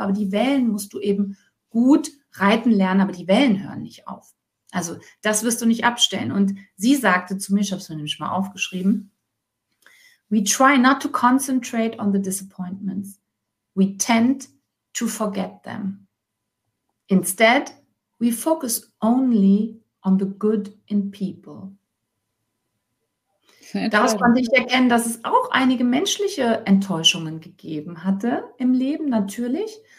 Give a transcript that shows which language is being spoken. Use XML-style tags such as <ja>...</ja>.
<de>Aber die Wellen musst du eben gut reiten lernen, aber die Wellen hören nicht auf. Also das wirst du nicht abstellen. Und sie sagte zu mir, ich habe es mir nämlich mal aufgeschrieben,</de> <en>we try not to concentrate on the disappointments. We tend to forget them. Instead, we focus only on the good in people.</en> <de>Daraus konnte ich erkennen, dass es auch einige menschliche Enttäuschungen gegeben hatte im Leben, natürlich.</de>